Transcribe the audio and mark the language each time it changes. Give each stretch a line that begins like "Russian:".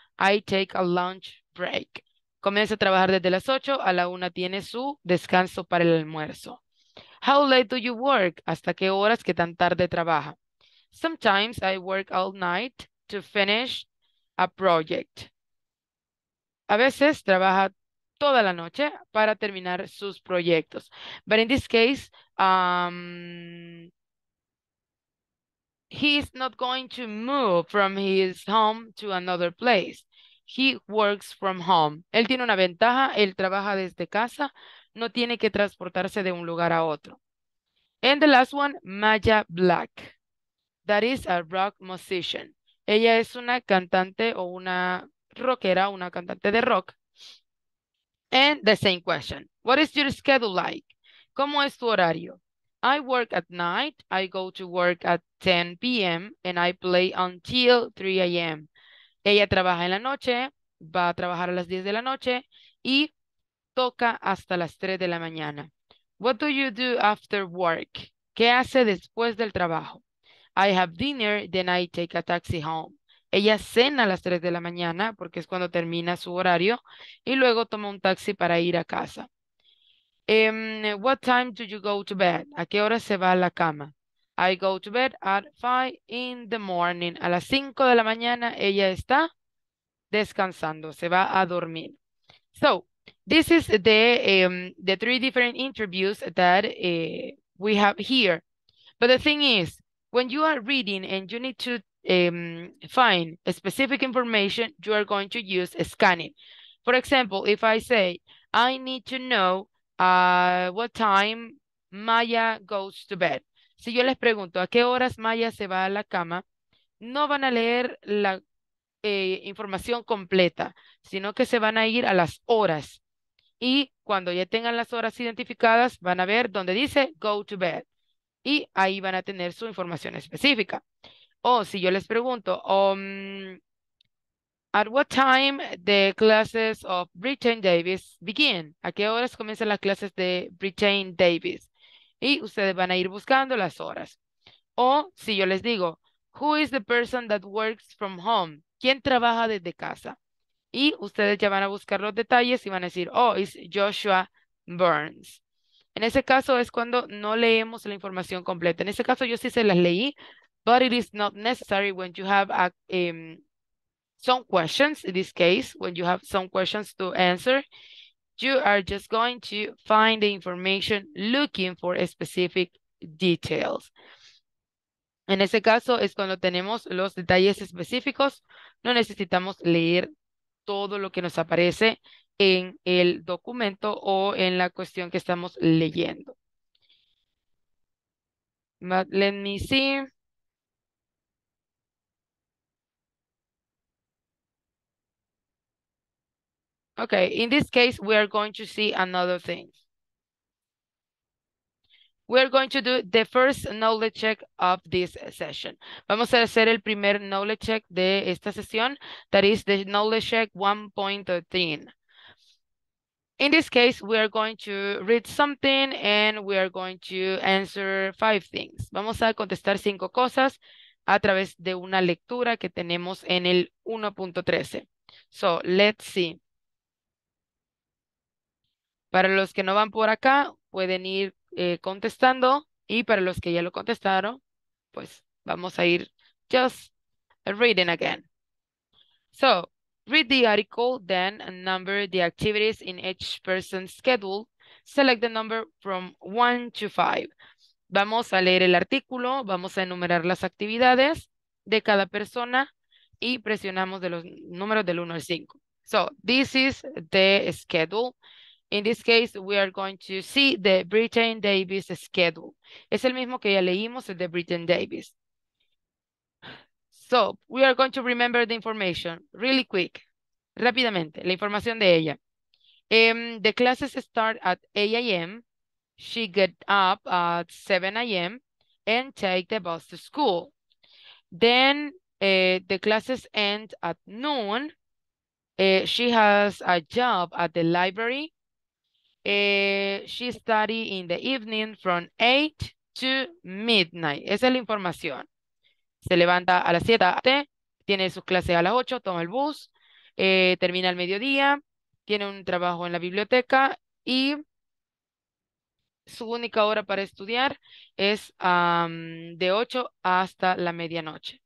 English: I take a lunch break.
Spanish: Comienza a trabajar desde las 8, a la 1 tiene su descanso para el almuerzo.
English: How late do you work?
Spanish: ¿Hasta qué horas, qué tan tarde trabaja?
English: Sometimes I work all night to finish a project.
Spanish: A veces trabaja toda la noche para terminar sus proyectos.
English: But in this case, he is not going to move from his home to another place. He works from home.
Spanish: Él tiene una ventaja, él trabaja desde casa, no tiene que transportarse de un lugar a otro.
English: And the last one, Maya Black. That is a rock musician.
Spanish: Ella es una cantante o una rockera, una cantante de rock.
English: And the same question. What is your schedule like?
Spanish: ¿Cómo es tu horario?
English: I work at night. I go to work at 10 p.m. and I play until 3 a.m.
Spanish: Ella trabaja en la noche, va a trabajar a las 10 de la noche y toca hasta las 3 de la mañana.
English: What do you do after work?
Spanish: ¿Qué hace después del trabajo?
English: I have dinner, then I take a taxi home.
Spanish: Ella cena a las 3 de la mañana, porque es cuando termina su horario, y luego toma un taxi para ir a casa.
English: What time do you go to bed?
Spanish: ¿A qué hora se va a la cama?
English: I go to bed at 5 in the morning.
Spanish: A las 5 de la mañana, ella está descansando, se va a dormir.
English: So, this is the three different interviews that we have here. But the thing is, when you are reading and you need to find specific information, you are going to use scanning. For example, if I say, I need to know what time Maya goes to bed.
Spanish: Si yo les pregunto, ¿a qué horas Maya se va a la cama? No van a leer la información completa, sino que se van a ir a las horas. Y cuando ya tengan las horas identificadas, van a ver donde dice
English: go to bed.
Spanish: Y ahí van a tener su información específica. O si yo les pregunto,
English: at what time the classes of Britain Davis begin?
Spanish: ¿A qué horas comienzan las clases de Britain Davis? Y ustedes van a ir buscando las horas. O si yo les digo,
English: who is the person that works from home?
Spanish: ¿Quién trabaja desde casa? Y ustedes ya van a buscar los detalles y van a decir,
English: oh, it's Joshua Burns.
Spanish: En ese caso es cuando no leemos la información completa. En ese caso yo sí se las leí,
English: but it is not necessary when you have some questions. In this case, when you have some questions to answer, you are just going to find the information looking for specific details.
Spanish: En ese caso es cuando tenemos los detalles específicos, no necesitamos leer todo lo que nos aparece en el documento o en la cuestión que estamos leyendo.
English: But let me see. Okay, in this case, we are going to see another thing. We are going to do the first knowledge check of this session.
Spanish: Vamos a hacer el primer knowledge check de esta sesión.
English: That is the knowledge check 1.13. In this case, we are going to read something and we are going to answer 5 things.
Spanish: Vamos a contestar 5 cosas a través de una lectura que tenemos en el 1.13.
English: So, let's see.
Spanish: Para los que no van por acá, pueden ir contestando, y para los que ya lo contestaron, pues vamos a ir
English: just reading again. So, read the article, then number the activities in each person's schedule. Select the number from 1 to 5.
Spanish: Vamos a leer el artículo, vamos a enumerar las actividades de cada persona y presionamos de los números del 1 al 5.
English: So, this is the schedule. In this case, we are going to see the Britain Davis schedule.
Spanish: Es el mismo que ya leímos, el de Britain Davis.
English: So, we are going to remember the information really quick.
Spanish: Rápidamente, la información de ella.
English: The classes start at 8 a.m. She get up at 7 a.m. and take the bus to school. Then, the classes end at noon. She has a job at the library. She study in the evening from 8 to midnight.
Spanish: Esa es la información. Se levanta a las 7, tiene sus clases a las 8, toma el bus, termina al mediodía, tiene un trabajo en la biblioteca y su única hora para estudiar es de 8 hasta la medianoche.